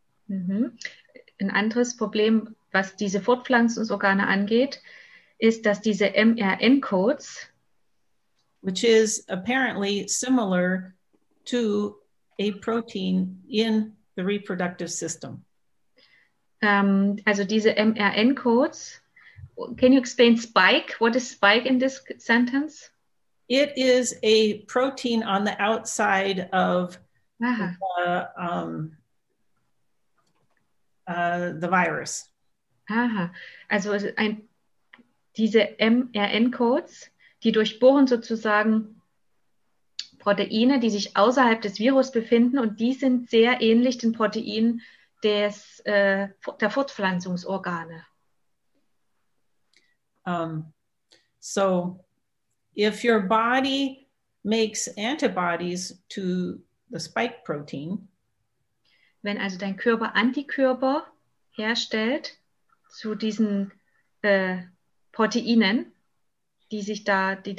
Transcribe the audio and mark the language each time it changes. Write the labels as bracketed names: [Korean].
[German] Mm-hmm. Ein anderes Problem, was diese Fortpflanzungsorgane angeht, ist, dass diese mRNA-Codes, [English] which is apparently similar to a protein in the reproductive system. [German] Also diese mRNA-Codes, [English] can you explain spike? What is spike in this sentence? It is a protein on the outside of the virus. [German] Aha, also diese mRNA-Codes, die durchbohren sozusagen Proteine, die sich außerhalb des Virus befinden, und die sind sehr ähnlich den Proteinen der Fortpflanzungsorgane. [English] So, if your body makes antibodies to the spike protein, [German] wenn also dein Körper Antikörper herstellt zu diesen Proteinen, die da